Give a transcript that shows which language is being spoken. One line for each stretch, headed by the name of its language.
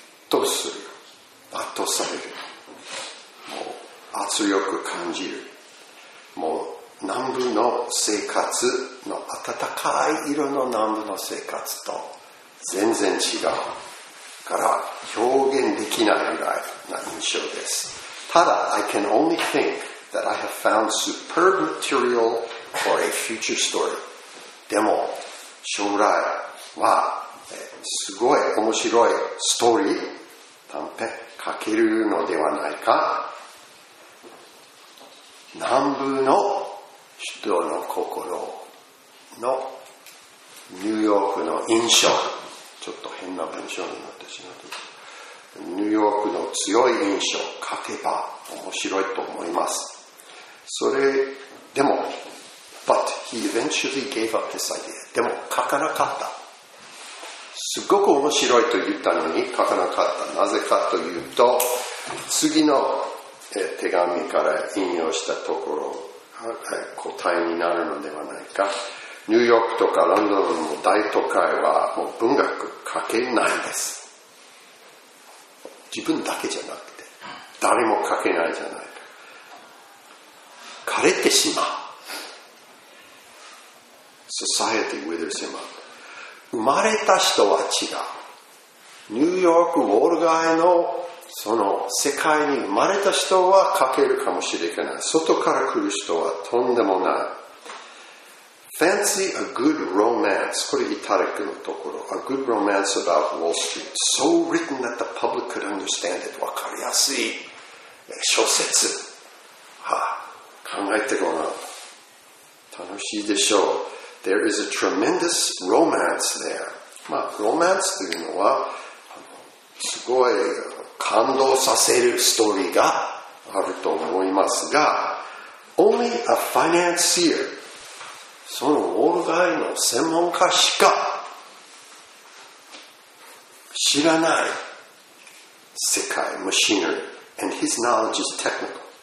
Japanese: 倒する、圧倒される、もう圧力感じる、もう南部の生活の暖かい色の南部の生活と全然違うから表現できないぐらいな印象です。
English: ただ I can only think that I have found superb material for a future story。
Japanese: でも将来はすごい面白いストーリー短編書けるのではないか。南部の人の心のニューヨークの印象、ちょっと変な文章になってしまって、ニューヨークの強い印象書けば面白いと思います。それでも
English: But he eventually gave up this idea。
Japanese: でも書かなかった。すごく面白いと言ったのに書かなかった。なぜかというと、次の手紙から引用したところ答えになるのではないか。ニューヨークとかロンドンの大都会はもう文学書けないです。自分だけじゃなくて誰も書けないじゃないか。枯れてしまう。
English: Society withers him up。
Japanese: 生まれた人は違う。ニューヨークウォール街のその世界に生まれた人は書けるかもしれない。外から来る人はとんでもない。
English: Fancy a good romance.
Japanese: これイタリックのところ。
English: A good romance about Wall Street. So written that the public could understand it.
Japanese: わかりやすい小説。はあ、考えてごらん。楽しいでしょう。
English: There is a tremendous romance there.
Japanese: まあ、ロマンスというのは、すごい感動させるストーリーがあると思いますが、
English: Only a financier.
Japanese: そのウォール街の専門家しか知らない世界、マシンリー、
English: and his knowledge is technical。